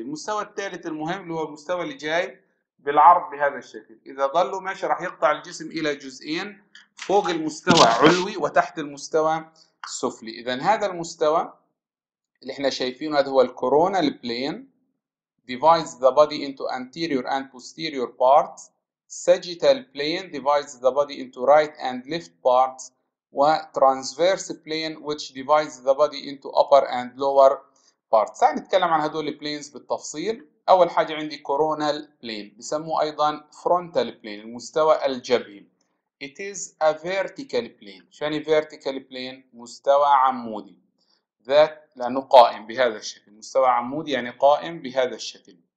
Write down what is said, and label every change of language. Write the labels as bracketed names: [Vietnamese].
[Arabic] المستوى الثالث المهم اللي هو المستوى اللي جاي بالعرض بهذا الشكل، إذا ظلوا ماشي راح يقطع الجسم إلى جزئين، فوق المستوى علوي وتحت المستوى سفلي. إذا هذا المستوى اللي احنا شايفينه هذا هو الكورونال بلين، [English] divides the body into anterior and posterior parts. Sagittal plane divides the body into right and left parts. و transverse plane which divides the body into upper and lower parts. [Arabic] تعال نتكلم عن هذول البلينز بالتفصيل. أول حاجة عندي كورونال بلين، بسموه أيضا frontal plane، المستوى الجبهي. [English] It is a vertical plane. شاني vertical plane؟ [Arabic] مستوى عمودي. That لأنه قائم بهذا الشكل. مستوى عمودي يعني قائم بهذا الشكل.